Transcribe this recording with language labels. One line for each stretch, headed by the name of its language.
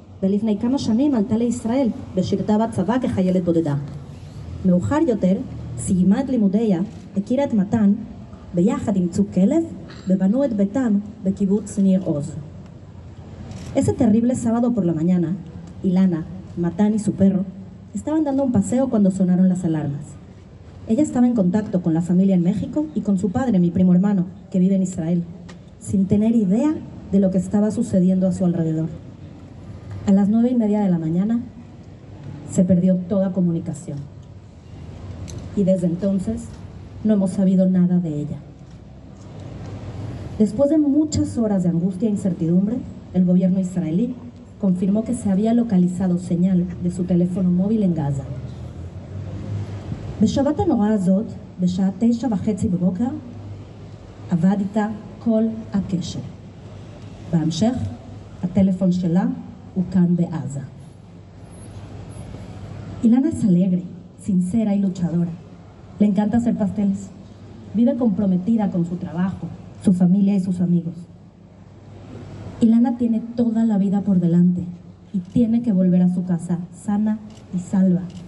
Hebrew: ולפני כמה שנים עלתה לישראל ושירתה בצבא כחיילת בודדה. מאוחר יותר, סיימה את לימודיה, הכירה את מתן, ביחד עם צוק כלב, ובנו את ביתם בקיבוץ ניר עוז.
Spanish: Ese terrible sábado por la mañana, Ilana, Matán y su perro estaban dando un paseo cuando sonaron las alarmas. Ella estaba en contacto con la familia en México y con su padre, mi primo hermano, que vive en Israel, sin tener idea de lo que estaba sucediendo a su alrededor. A las 9:30 de la mañana, se perdió toda comunicación. Y desde entonces, no hemos sabido nada de ella. Después de muchas horas de angustia e incertidumbre, el gobierno israelí confirmó que se había localizado señal de su teléfono móvil en Gaza.
Hebrew: בשבת הנורא הזאת, בשעה 9:30 בבוקר, עבד איתה כל הקשר. בהמשך, הטלפון שלה הוא כאן בעזה.
Spanish: אילנה es alegre, sincera y luchadora. Le encanta hacer pasteles. Vive comprometida con su trabajo, su familia y sus amigos. Ilana tiene toda la vida por delante y tiene que volver a su casa sana y salva.